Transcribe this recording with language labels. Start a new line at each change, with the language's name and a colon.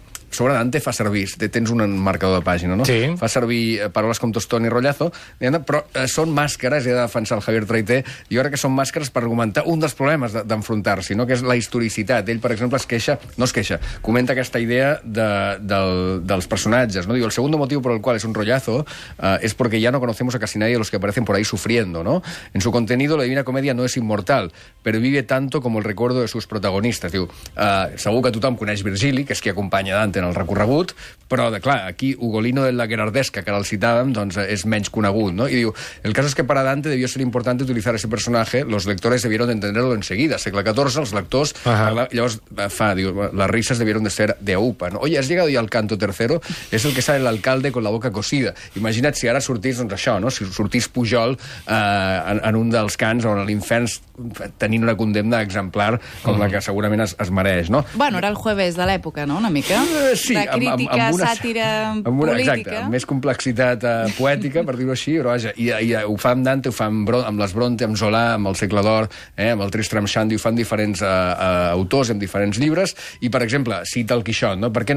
Catalan: sobre Dante fa servir, tens un marcador de pàgina, no? Sí. Fa servir paraules com tostón i rotllazo, però són màscares, i ha de defensar el Javier Traité, jo crec que són màscares per argumentar un dels problemes d'enfrontar-s'hi, no? Que és la historicitat. Ell, per exemple, es queixa, comenta aquesta idea dels personatges, no?
Spanish: Diu, el segundo motivo por el cual es un rollazo es porque ya no conocemos a casi nadie de los que aparecen por ahí sufriendo, ¿no? En su contenido, la Divina Comedia no es inmortal, pero vive tanto como el recuerdo de sus protagonistas.
Catalan: Diu, segur que tothom coneix Virgili, que és qui acompanya Dante en el recorregut, però, clar, aquí Ugolino de la Gherardesca, que ara el citàvem, doncs és menys conegut, no? I diu,
Spanish: el caso es que para Dante debió ser importante utilizar ese personaje, los lectores debieron entenderlo enseguida.
Catalan: Segle XIV, els lectors... Llavors fa, diu,
Spanish: las risas debieron de ser de upa, ¿no? Oye, has llegado ya al canto tercero, es el que sale el alcalde con la boca cosida.
Catalan: Imagina't si ara sortís, doncs això, no? Si sortís Pujol en un dels cants on l'infern tenint una condemna exemplar com la que segurament es mereix, no? Bueno, era el jueves de l'època, no? Una mica. Sí, de crítica, sàtira, política. Exacte, amb més complexitat poètica, per dir-ho així, però vaja, i ho fa amb Dante, ho fa amb les Bronte, amb Zola, amb el Segle d'Or, amb el Tristram Shandy, ho fan diferents autors en diferents llibres, i per exemple, cita el Quixot, no?